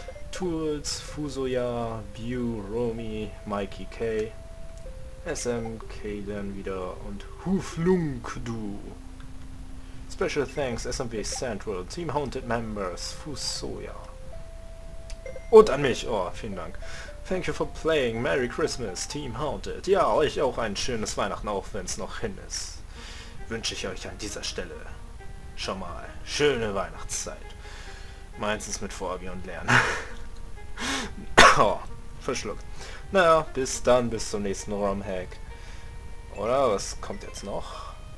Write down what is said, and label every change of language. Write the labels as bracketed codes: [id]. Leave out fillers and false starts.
[en] Tools, Fusoya, Bu, Romy, Mikey K. [de] SMK dann wieder und Huflunkdu. [en] Special thanks SMB Central, Team Haunted Members, Fusoya. [de] Und an mich, oh, vielen Dank. [en] Thank you for playing, Merry Christmas, Team Haunted. [de] Ja, euch auch ein schönes Weihnachten, auch wenn es noch hin ist. Wünsche ich euch an dieser Stelle schon mal schöne Weihnachtszeit. Meins ist mit Vorbi und Lern. Oh, verschluckt. Naja, bis dann, bis zum nächsten ROM-Hack. Oder was kommt jetzt noch?